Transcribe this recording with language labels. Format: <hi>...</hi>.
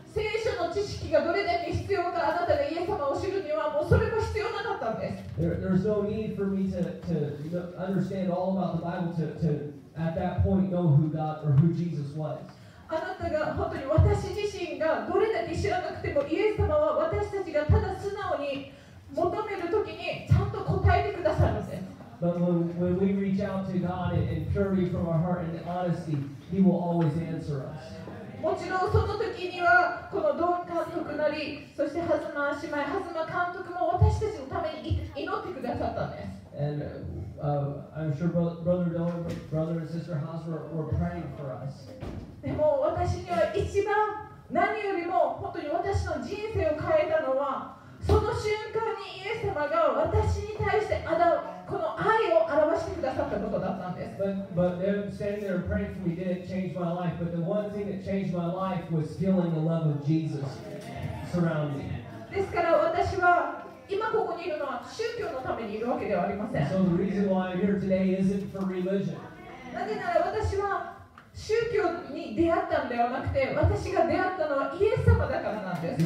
<ja>聖書の知識がどれだけ必要か、あなたがイエス様を知るにはもうそれが必要なかったんです。</ja> <en>There's no need for me to understand all about the Bible to at that point know who God or who Jesus was.</en> <ja>あなたが本当に私自身がどれだけ知らなくてもイエス様は私たちがただ素直に求めるときにちゃんと答えてくださるんです。</ja> <en>But when we reach out to God in purity from our heart and honesty, He will always answer us.</en> <ja>もちろんその時にはこのドン監督なりそして弾間姉妹弾間監督も私たちのために祈ってくださったんです</ja> <en>and,、I'm sure brother Don brother and sister Haas were praying for us</en> <ja>でも私には一番何よりも本当に私の人生を変えたのはその瞬間にイエス様が私に対してあだこの愛を表してくださったことだったんです。</ja> <en>But them standing there praying for me didn't change my life. But the one thing that changed my life was feeling the love of Jesus surrounding me.</en> <ja>ですから私は今ここにいるのは宗教のためにいるわけではありません。</ja> <en>So the reason why I'm here today isn't for religion.</en> <ja>なぜなら私は宗教に出会ったんではなくて私が出会ったのはイエス様だからなんです</ja>